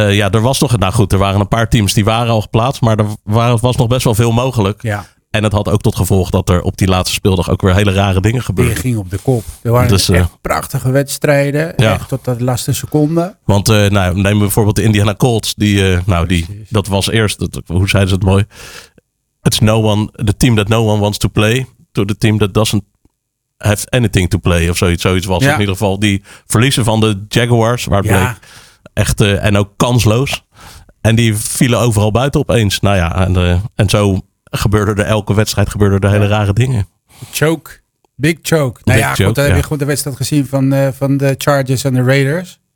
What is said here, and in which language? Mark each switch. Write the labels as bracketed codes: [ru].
[nl] Er waren een paar teams die waren al geplaatst. Maar was nog best wel veel mogelijk. Ja. En het had ook tot gevolg dat er op die laatste speeldag ook weer hele rare dingen gebeurden. Die ging op de kop. Er waren dus, echt prachtige wedstrijden. Ja. Echt tot de laatste seconde. Want neem bijvoorbeeld de Indiana Colts. Dat was eerst, hoe zeiden ze het mooi? [en] It's no one, the team that no one wants to play. To the team that doesn't have anything to play [nl] of zoiets. Zoiets was in ieder geval die verliezen van de Jaguars, waar het bleek echt en ook kansloos. En die vielen overal buiten opeens. Nou ja, en zo gebeurde er elke wedstrijd gebeurde er hele rare dingen. [en] Choke. Big choke. [nl] Nou ja, goed, dan heb je gewoon de wedstrijd gezien van de Chargers en de Raiders.